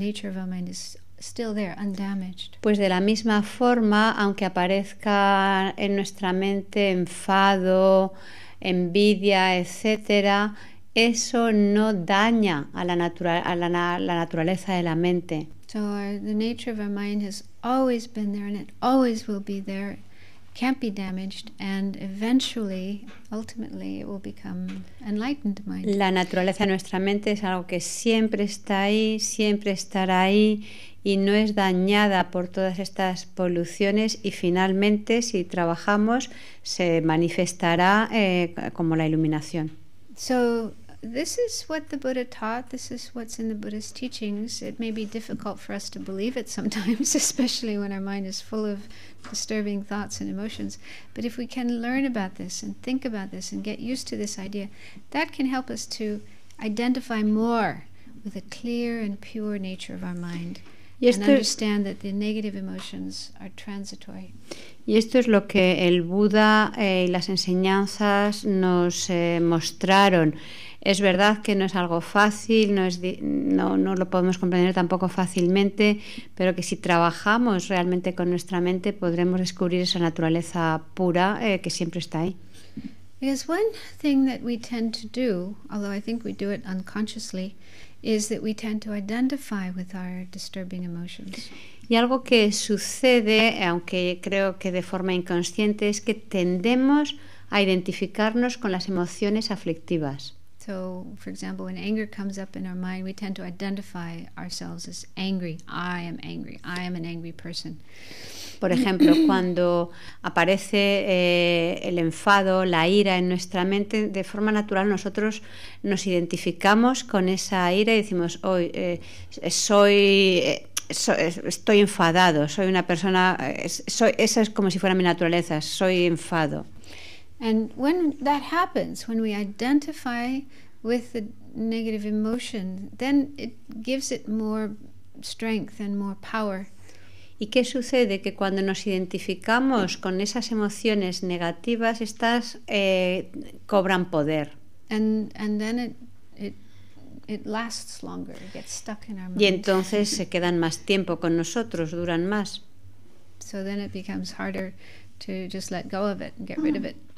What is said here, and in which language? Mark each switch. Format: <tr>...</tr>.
<en>The nature of our mind is still there, undamaged.</en> <es>Pues de la misma forma, aunque aparezca en nuestra mente enfado, envidia, etc., eso no daña a la naturaleza de la mente.</es> <en>So the nature of our mind has always been there, and it always will be there. Can't be damaged, and eventually, ultimately, it will become enlightened mind.</en> <es>La naturaleza de nuestra mente es algo que siempre está ahí, siempre estará ahí, y no es dañada por todas estas poluciones, y finalmente, si trabajamos, se manifestará como la iluminación.</es> <en>So, this is what the Buddha taught, this is what's in the Buddha's teachings. It may be difficult for us to believe it sometimes, especially when our mind is full of disturbing thoughts and emotions. But if we can learn about this and think about this and get used to this idea, that can help us to identify more with a clear and pure nature of our mind.</en> <es>Y esto,</es> <en>and understand that the negative emotions are transitory.</en> <es>Y esto es lo que el Buda y las enseñanzas nos mostraron. Es verdad que no es algo fácil, no lo podemos comprender tampoco fácilmente, pero que si trabajamos realmente con nuestra mente podremos descubrir esa naturaleza pura que siempre está ahí.</es> <en>Because one thing that we tend to do, although I think we do it unconsciously, is that we tend to identify with our disturbing emotions.</en> <es>Y algo que sucede, aunque creo que de forma inconsciente, es que tendemos a identificarnos con las emociones aflictivas.</es> <en>So, for example, when anger comes up in our mind, we tend to identify ourselves as angry. I am angry. I am an angry person.</en> <es>Por ejemplo, cuando aparece el enfado, la ira en nuestra mente, de forma natural nosotros nos identificamos con esa ira y decimos, estoy enfadado, soy una persona, esa es como si fuera mi naturaleza, soy enfado.</es> <en>And when that happens, when we identify with the negative emotion, then it gives it more strength and more power.</en> <es>¿Y qué sucede? Que cuando nos identificamos con esas emociones negativas, estas cobran poder.</es> <en>And then it lasts longer, it gets stuck in our mind.</en> <es>Y entonces se quedan más tiempo con nosotros, duran más.</es> <en>So then it becomes harder to just let go of it and get rid of it.</en>